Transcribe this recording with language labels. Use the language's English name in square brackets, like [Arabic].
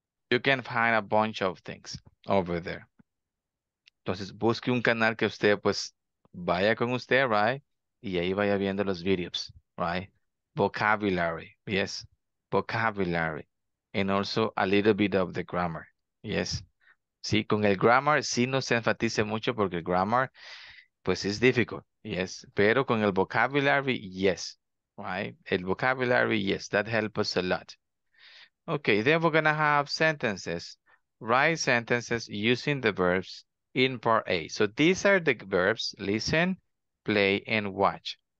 [English] You can find a bunch of things over there. [Spanish] Entonces, busque un canal que usted, pues, vaya con usted, right? Y ahí vaya viendo los videos, right? [English] Vocabulary, yes. Vocabulary. And also a little bit of the grammar, yes. [Spanish] Sí, con el grammar, sí no se enfatice mucho porque el grammar, pues, es difícil, yes. Pero con el vocabulary, [English] yes, right? El vocabulary, yes, that helps us a lot. Okay, then we're going to have sentences. Write sentences using the verbs. In part A. So these are the verbs, listen, play, and watch.